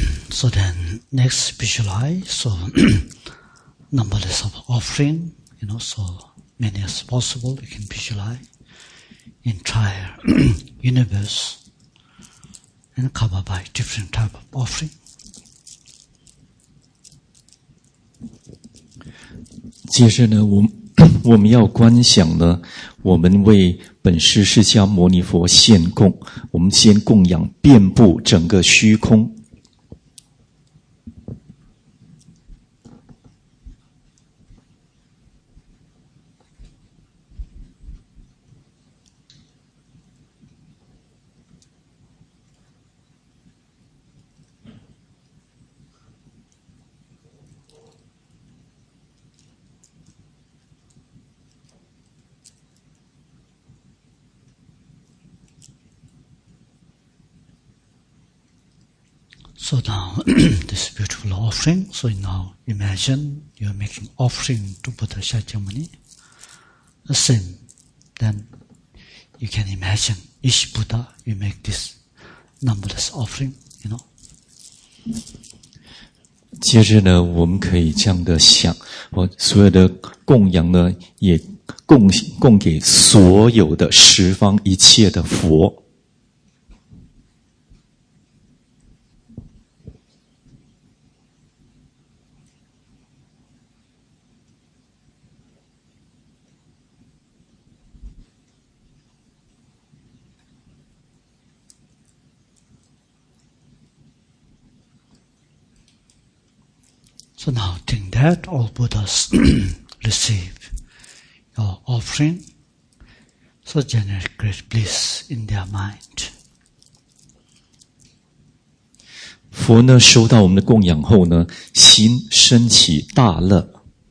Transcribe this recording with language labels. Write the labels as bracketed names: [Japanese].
[English] So then, next visualize, so numberless of offering, you know, so many as possible, you can visualize entire universe and covered by different type of offering. [Chinese] 接着呢，我们要观想呢，我们为本师释迦牟尼佛献供，我们先供养遍布整个虚空。 [English] So now, this beautiful offering, so now imagine you are making offering to Buddha Shakyamuni. The same, then you can imagine each Buddha, you make this numberless offering, you know. [Chinese] 接着呢，我们可以这样的想，我所有的供养呢，也供给所有的十方一切的佛。 [English] So now, think that all Buddhas receive your offering, so generate great bliss in their mind. [Chinese] 佛呢，收到我们的供养后呢，心升起大乐。